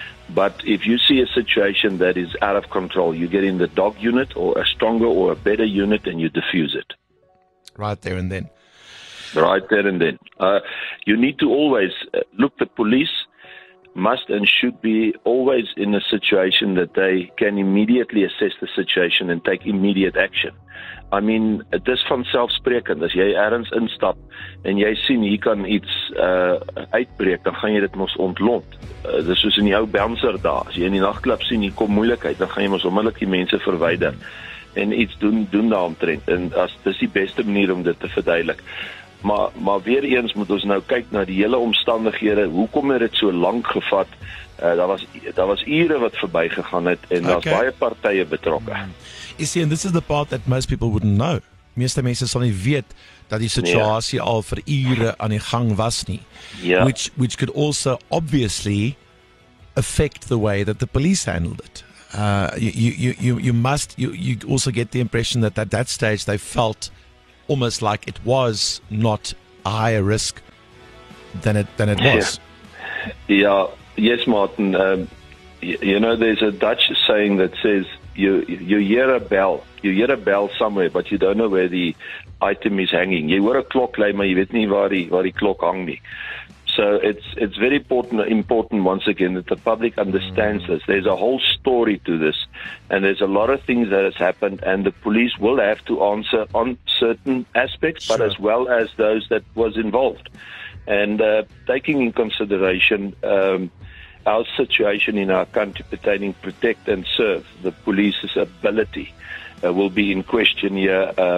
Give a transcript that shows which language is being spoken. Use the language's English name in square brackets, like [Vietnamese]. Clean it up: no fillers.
[English] But if you see a situation that is out of control, you get in the dog unit or a stronger or a better unit and you defuse it. Right there and then. Right there and then. You need to always look the police must and should be always in a situation that they can immediately assess the situation and take immediate action. I mean, this from self-spreken, [Afrikaans] as jy ergens instap en jy sien hier kan iets uitbreek, dan gaan jy dit mos ontlont. Dis soos in die ou bouncer daar. As jy in die nachtklub sien, hier kom moeilikheid, dan gaan jy mos onmiddellik die mense verwyder en iets doen daaromtrent. En dis die beste manier om dit te verduidelik. Maar weer eens moet ons nou kyk na die hele omstandighede. Hoekom het dit so lank gevat? Daar was ure wat verby gegaan het en daar's baie partye betrokke. [English] You see, and this is the part that most people wouldn't know. [Afrikaans] Meeste mense sal nie weet dat die situasie al vir ure aan die gang was nie. [English] Yeah. Which could also obviously affect the way that the police handled it. You also get the impression that at that stage they felt almost like it was not a higher risk than it was. Yeah. Yes, Martin. You know, there's a Dutch saying that says you hear a bell. You hear a bell somewhere, but you don't know where the item is hanging. You hear a clock, [Afrikaans] maar jy weet nie waar die klok hang nie. [English] So it's very important once again that the public understands this. There's a whole story to this, and there's a lot of things that has happened, and the police will have to answer on certain aspects, sure, but as well as those that was involved. And taking in consideration our situation in our country pertaining protect and serve, the police's ability will be in question here.